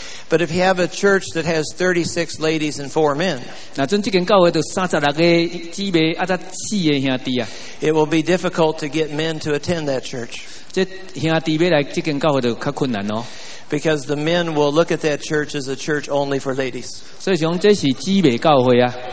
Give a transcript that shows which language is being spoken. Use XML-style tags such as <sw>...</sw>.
<en>but if you have a church that has 36 ladies and 4 men,</en> <nan>那这间教会就36个姊妹,啊,4个兄弟,</nan> <en>it will be difficult to get men to attend that church.</en> <nan>这兄弟要来这间教会就较困难哦,</nan> <en>because the men will look at that church as a church only for ladies.</en> <nan>所以说这是姊妹教会啊,</nan>